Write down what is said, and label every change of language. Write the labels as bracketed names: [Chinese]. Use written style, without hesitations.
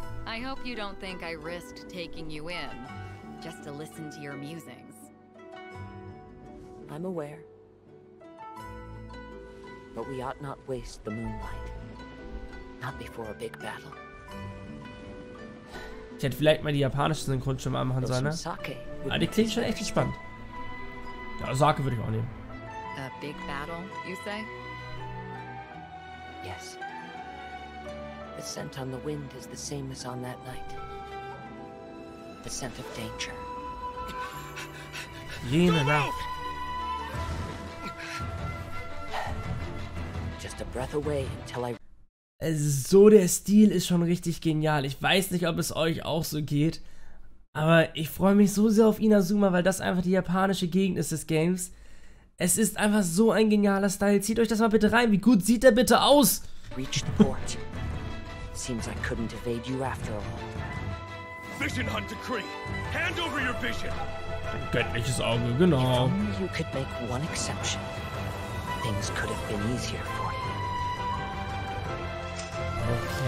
[English] I hope you don't think I risked taking you in just to listen to your musings. I'm aware. But we ought not waste the moonlight. Not before a big battle. [German] Ich hätte vielleicht mal die japanischen Synchronstimmen anmachen sollen, ne? Aber die klingt schon echt gespannt. Ja, Sake würde ich auch nehmen. [English] A big battle, you say? Yes. The scent on the wind is the same as on that night. The scent of danger. Yena now. Just a breath away until I... [German] So, der Stil ist schon richtig genial. Ich weiß nicht, ob es euch auch so geht. Aber ich freue mich so sehr auf Inazuma, weil das einfach die japanische Gegend ist des Games. Es ist einfach so ein genialer Style. Zieht euch das mal bitte rein. Wie gut sieht der bitte aus? [English] Reach the port. Seems I couldn't evade you after all. Vision Hunt Decree! Hand over your vision! [German] Göttliches Auge, genau. [English] If only you could make one exception, things could have been easier for you.